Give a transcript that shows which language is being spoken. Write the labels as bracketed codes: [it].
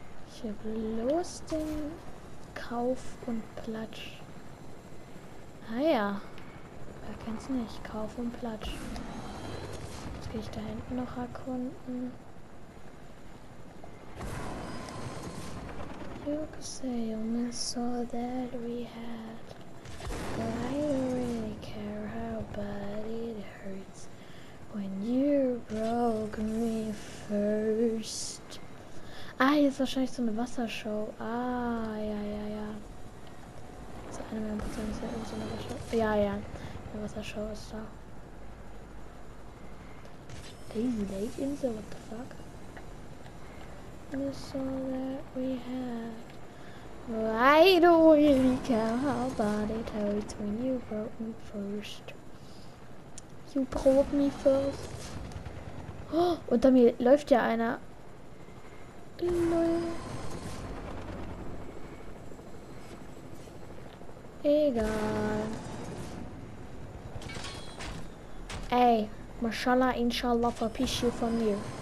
[de] Ich habe bloß den Kauf und Platsch. Ah ja. Wer kennt's nicht? Kauf und Platsch. Jetzt gehe ich da hinten noch erkunden. [en] You could say you miss all that we had, but I don't really care how bad it hurts when you broke me first. [de] Ah, hier ist wahrscheinlich so eine Wassershow. Ah, ja. So eine meiner Personen ist ja irgend so eine Wassershow. Ja. Eine Wassershow ist da. [en] Daisy Lake Insel, what the fuck? Miss all that we had. I don't really care how bad it hurts when you broke me first. You broke me first. [de] Oh, unter mir läuft ja einer. Lol. Egal. Ey, Mashallah, Inshallah, verpiss you von mir.